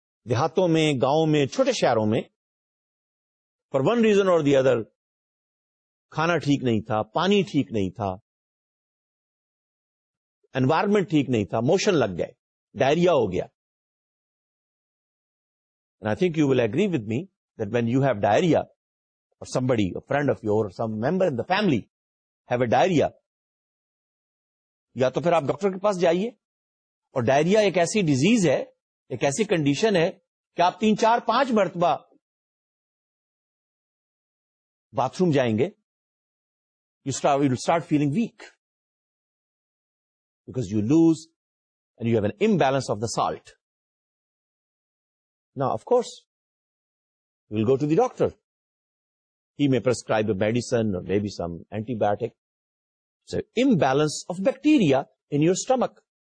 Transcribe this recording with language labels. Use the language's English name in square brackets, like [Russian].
[Urdu] دیہاتوں میں، گاؤں میں، چھوٹے شہروں میں، [English] for one reason اور the other [Urdu] کھانا ٹھیک نہیں تھا، پانی ٹھیک نہیں تھا، انوائرمنٹ ٹھیک نہیں تھا، موشن لگ گئے، ڈائریا ہو گیا. [English] And I think you will agree with me that when you have diarrhea or somebody, a friend of yours or some member in the family have a diarrhea, [Urdu] یا تو پھر آپ ڈاکٹر کے پاس جائیے. اور ڈائریا ایک ایسی ڈیزیز ہے، ایک ایسی کنڈیشن ہے کہ آپ تین چار پانچ مرتبہ باتھ روم جائیں گے، [English] you start feeling weak because you lose and you have an imbalance of the salt. Now, of course, you will go to the doctor. He may prescribe a medicine or maybe some antibiotic. It's an imbalance of bacteria in your stomach.